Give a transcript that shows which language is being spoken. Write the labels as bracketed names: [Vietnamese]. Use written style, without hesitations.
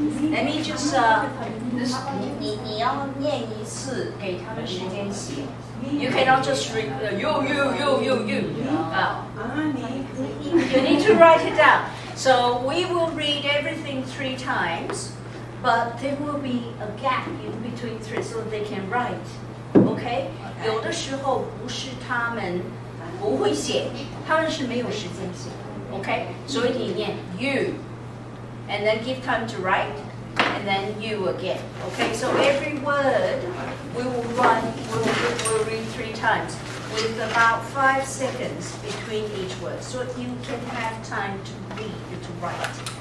[English] Let me just, you cannot just read, you. You need to write it down. So we will read everything three times, but there will be a gap in between three so they can write. Okay? [Chinese] 有的时候不是他们不会写，他们是没有时间写。 [English] Okay? [Chinese] 所以你念 [English] you, and then give time to write, and then you again. Okay? So every word we will run, we'll read three times with about 5 seconds between each word, so you can have time to read and to write.